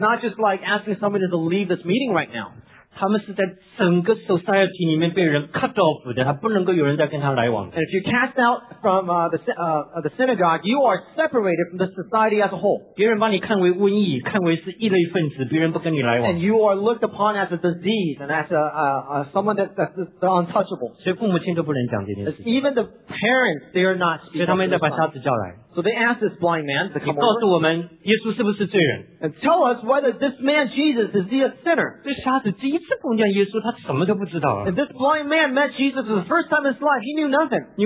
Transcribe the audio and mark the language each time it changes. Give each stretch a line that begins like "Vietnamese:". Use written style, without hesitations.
English: not just like asking somebody to leave this meeting right now.
Chinese: 他们是在整个 society 里面被人 cut off 的，他不能够有人再跟他来往。
English: And if you cast out from the synagogue, you are separated from the society as a whole.
Chinese: 别人把你看为瘟疫，看为是异类分子，别人不跟你来往。
English: And you are looked upon as a disease and as someone that's untouchable.
Chinese: 所以父母亲都不能讲这件事。
English: Even the parents, they are not.
Chinese: 所以他们再把瞎子叫来。
English: So they asked this blind man to come over.
Chinese: 你告诉我们，耶稣是不是罪人？
English: And tell us whether this man Jesus is a sinner.
Chinese: 这瞎子第一次碰见耶稣，他什么都不知道啊。
English: And this blind man met Jesus for the first time in his life. He knew nothing.